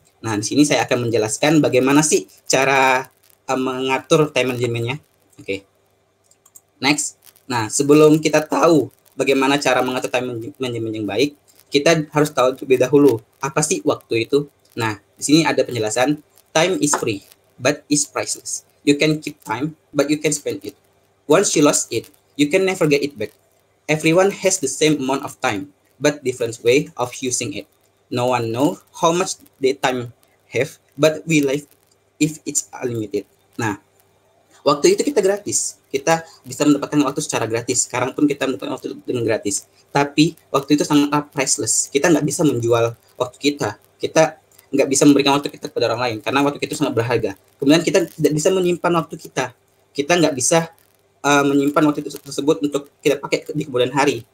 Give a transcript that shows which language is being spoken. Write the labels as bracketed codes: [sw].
[id] Nah, di sini saya akan menjelaskan bagaimana sih cara mengatur time management-nya. Oke. [en] Okay. Next. [id] Nah, sebelum kita tahu bagaimana cara mengatur time management yang baik, kita harus tahu terlebih dahulu apa sih waktu itu. Nah, di sini ada penjelasan, [en] time is free, but is priceless. You can keep time, but you can spend it. Once you lost it, you can never get it back. Everyone has the same amount of time, but different way of using it. No one knows how much they time have, but we live if it's unlimited. [id] Nah, waktu itu kita gratis. Kita bisa mendapatkan waktu secara gratis. Sekarang pun kita mendapatkan waktu dengan gratis. Tapi waktu itu sangatlah priceless. Kita nggak bisa menjual waktu kita. Kita nggak bisa memberikan waktu kita kepada orang lain. Karena waktu kita sangat berharga. Kemudian kita tidak bisa menyimpan waktu kita. Kita nggak bisa menyimpan waktu tersebut untuk kita pakai di kemudian hari.